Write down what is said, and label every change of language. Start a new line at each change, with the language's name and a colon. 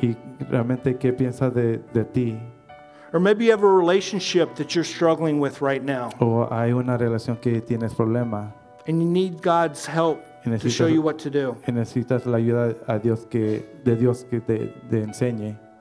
Spanish: Y realmente qué piensa de ti.
English: Or maybe you have a relationship that you're struggling with right now.
Spanish: O hay una relación que tienes problema.
English: And you need God's help to show you what to do.
Spanish: Y necesitas la ayuda a Dios de Dios que te enseñe.